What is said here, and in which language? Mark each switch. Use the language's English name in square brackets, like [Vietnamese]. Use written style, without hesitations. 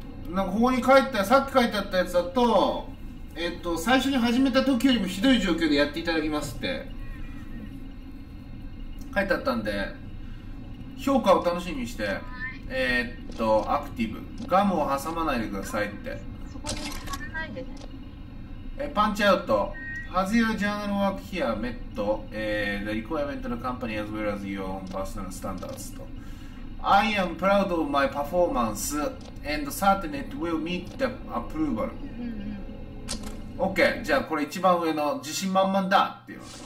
[Japanese] なんかここに書いてさっき書いてあったやつだと、最初に始めた時よりもひどい状況でやっていただきますって書いてあったんで、評価を楽しみにして、アクティブ、ガムを挟まないでくださいって。そこに貼らないでね。 [English] パンチアウト Has your journal work here met the requirement of the company as well as your own personal standards と。 I am proud of my performance and certain it will meet the approval. [Japanese] OK、 じゃあこれ一番上の自信満々だっていう。